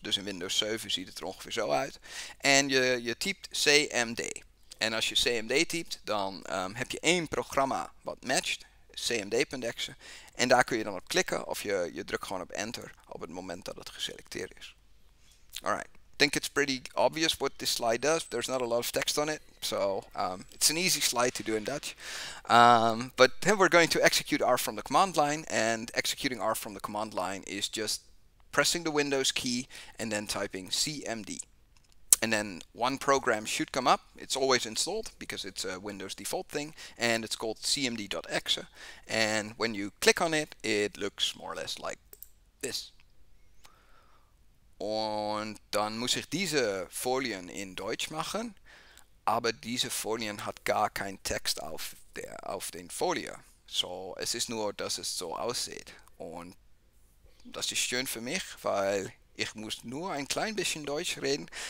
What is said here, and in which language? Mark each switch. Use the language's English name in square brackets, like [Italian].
[Dutch] Dus in Windows 7 ziet het er ongeveer zo uit. En je typt cmd. En als je cmd typt, dan heb je één programma wat matcht, cmd.exe. En daar kun je dan op klikken of je drukt gewoon op enter op het moment dat het geselecteerd is. [English] Alright. I think it's pretty obvious what this slide does. There's not a lot of text on it, so it's an easy slide to do in Dutch. But then we're going to execute R from the command line, and executing R from the command line is just pressing the Windows key and then typing cmd. And then one program should come up. It's always installed because it's a Windows default thing, and it's called cmd.exe. And when you click on it, it looks more or less like this. [German] Und dann muss ich diese Folien in Deutsch machen, aber diese Folien hat gar keinen Text auf den Folien. So, es ist nur, dass es so aussieht. Und das ist schön für mich, weil ich muss nur ein klein bisschen Deutsch reden.